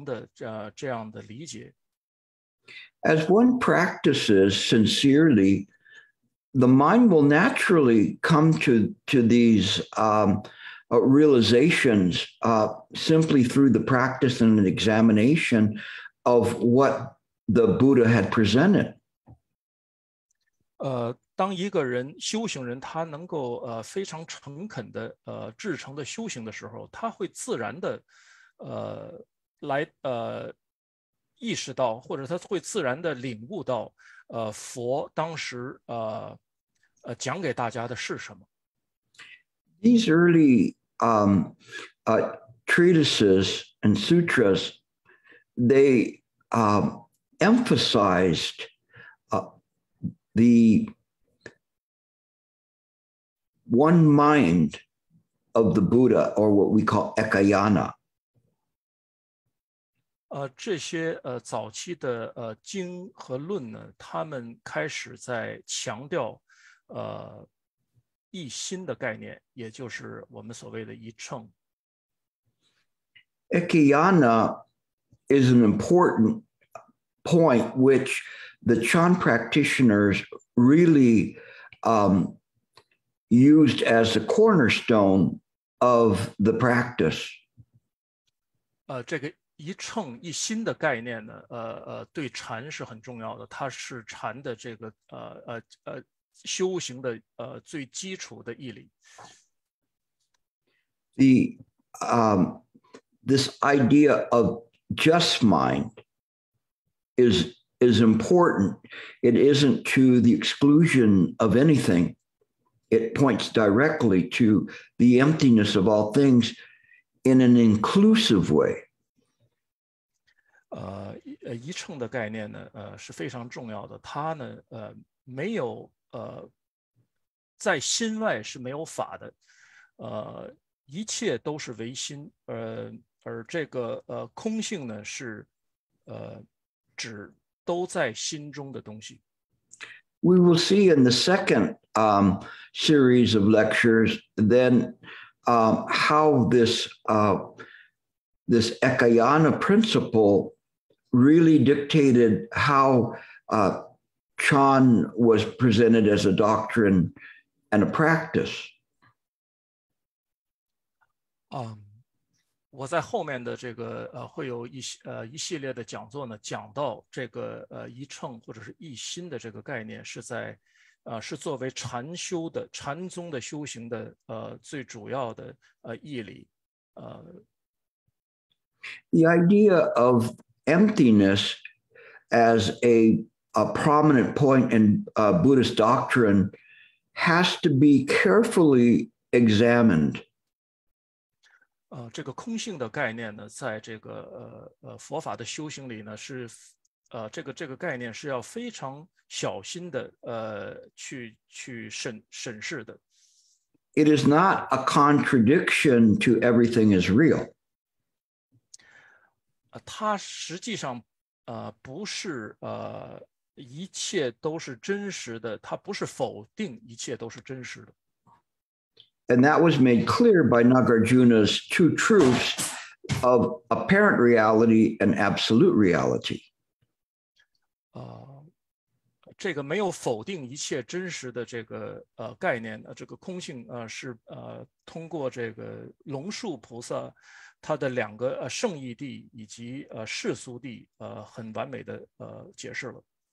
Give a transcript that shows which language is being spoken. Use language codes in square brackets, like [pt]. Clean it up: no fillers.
[zh] 我不认为这些新的经典义理呢，他们是加在原来的佛法之上的，而更应该说他们实际上是对佛法的一个更深入的不同的这样的理解。 [en] As one practices sincerely, the mind will naturally come to these realizations simply through the practice and an examination of what the Buddha had presented. [zh] 当一个人修行人，他能够非常诚恳的制成的修行的时候，他会自然的意识到，或者他会自然的领悟到，佛当时讲给大家的是什么。 [en] These early treatises and sutras, they emphasized the one mind of the Buddha, or what we call Ekayana. [zh] 这些早期的经和论呢，他们开始在强调一心的概念，也就是我们所谓的一乘。 [en] Ekayana is an important point which the Chan practitioners really used as a cornerstone of the practice. [zh] 一乘一心的概念呢，对禅是很重要的，它是禅的这个修行的最基础的义理。 [en] The this idea of just mind is important. It isn't to the exclusion of anything. It points directly to the emptiness of all things in an inclusive way. [zh] 一乘的概念呢，是非常重要的。它呢，没有在心外是没有法的，一切都是唯心，而这个空性呢，是指都在心中的东西。 [en] We will see in the second series of lectures then how this this Ekayana principle really dictated how Chan was presented as a doctrine and a practice. [zh] 我在后面的这个会有一系列的讲座呢，讲到这个一乘或者是一心的这个概念是在是作为禅修的禅宗的修行的最主要的义理。 [en] The idea of emptiness as a prominent point in Buddhist doctrine has to be carefully examined. [zh] 这个空性的概念呢，在这个佛法的修行里呢，是这个概念是要非常小心的去审视的。 [en] It is not a contradiction to everything is real. [zh] 它实际上不是一切都是真实的，它不是否定一切都是真实的。 [en] And that was made clear by Nagarjuna's two truths of apparent reality and absolute reality. [zh] 这个没有否定一切真实的这个概念的这个空性是通过这个龙树菩萨他的两个圣义地以及世俗地很完美的解释了。